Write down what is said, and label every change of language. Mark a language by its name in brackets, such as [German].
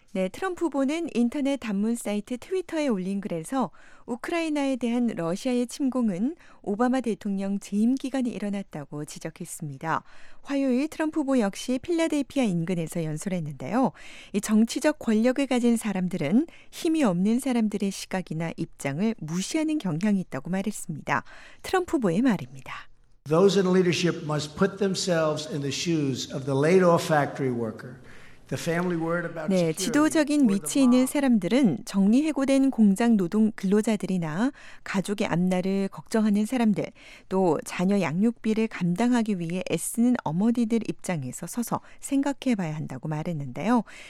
[Korean] 네, 트럼프 후보는 인터넷 단문 사이트 트위터에 올린 글에서 우크라이나에 대한 러시아의 침공은 오바마 대통령 재임 기간에 일어났다고 지적했습니다. 화요일 트럼프 후보 역시 필라델피아 인근에서 연설했는데요. 이 정치적 권력을 가진 사람들은 힘이 없는 사람들의 시각이나 입장을 무시하는 경향이 있다고 말했습니다. 트럼프 후보의 말입니다. [English] Those in leadership must put themselves in the shoes of the laid-off factory worker. [Korean] 네, 지도적인 위치에 있는 사람들은 정리해고된 공장 노동 근로자들이나 가족의 앞날을 걱정하는 사람들, 또 자녀 양육비를 감당하기 위해 애쓰는 어머니들 입장에서 서서 생각해봐야 한다고 말했는데요.